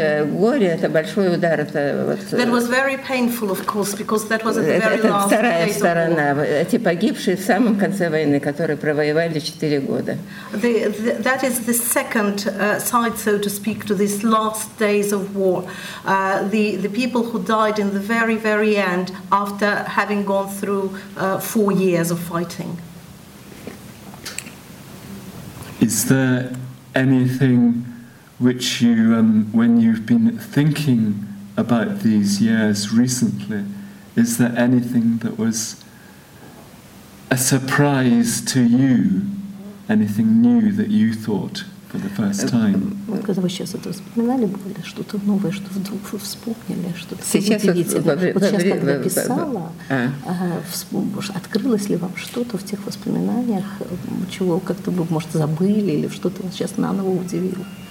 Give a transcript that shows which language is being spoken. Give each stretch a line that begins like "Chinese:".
English: That was very painful, of course, because that was at the very last days of war.
Russian: Эти погибшие в самом конце войны, которые провоевали 4 года.
English: That is the second side, so to speak, to these last days of war. The people who died in the very, very end after having gone through 4 years of fighting. Is there anything which you, when you've been thinking about these years recently, is there anything that was a surprise to you? Anything new that you thought for the first time?
Russian: Когда вы сейчас это вспоминали, было что-то новое, что вдруг вы вспомнили, что-то сейчас удивительное. Вот сейчас, когда писала, открылось ли вам что-то в тех воспоминаниях, чего как-то бы, может, забыли, или что-то вас сейчас наново удивило?